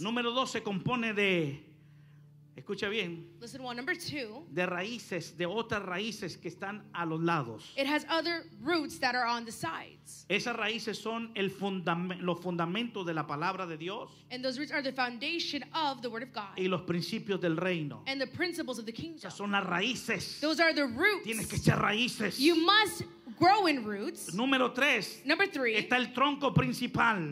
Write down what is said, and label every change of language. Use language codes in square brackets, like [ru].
[es] Número dos se compone de, escucha bien. [en] Listen one, number two. [es] De raíces, de otras raíces que están a los lados. [en] It has other roots that are on the sides. [es] Esas raíces son el los fundamentos de la palabra de Dios. [en] And those roots are the foundation of the word of God. [es] Y los principios del reino. [en] And the principles of the kingdom. [es] Esas son las raíces. [en] Those are the roots. [es] Tienes que echar raíces. [en] You must grow in roots. [es] Número tres. [en] Number three. [es] Está el tronco principal.